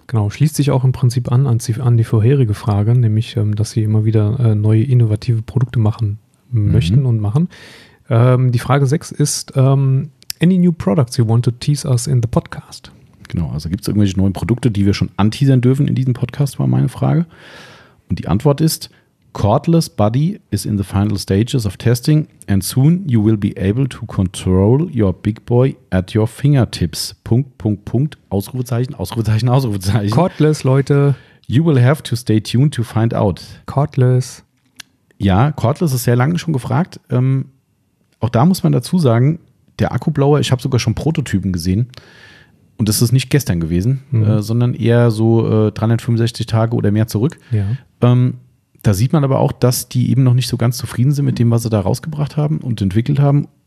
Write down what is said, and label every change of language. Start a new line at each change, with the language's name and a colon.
German: Genau, schließt sich auch im Prinzip an die vorherige Frage, nämlich, dass sie immer wieder neue innovative Produkte machen möchten und machen. Die Frage 6 ist,
English: any new products you want to tease us in the podcast?
German: Genau, also gibt es irgendwelche neuen Produkte, die wir schon anteasern dürfen in diesem Podcast, war meine Frage. Und die Antwort ist,
English: cordless body is in the final stages of testing and soon you will be able to control your big boy at your fingertips.
German: Punkt, Punkt, Punkt, Ausrufezeichen, Ausrufezeichen, Ausrufezeichen. Cordless, Leute.
English: You will have to stay tuned to find out.
German: Cordless. Ja, cordless ist sehr lange schon gefragt. Auch da muss man dazu sagen, der Akkublower, ich habe sogar schon Prototypen gesehen und das ist nicht gestern gewesen, sondern eher so 365 Tage oder mehr zurück. Ja. Da sieht man aber auch, dass die eben noch nicht so ganz zufrieden sind mit dem, was sie da rausgebracht haben und entwickelt haben.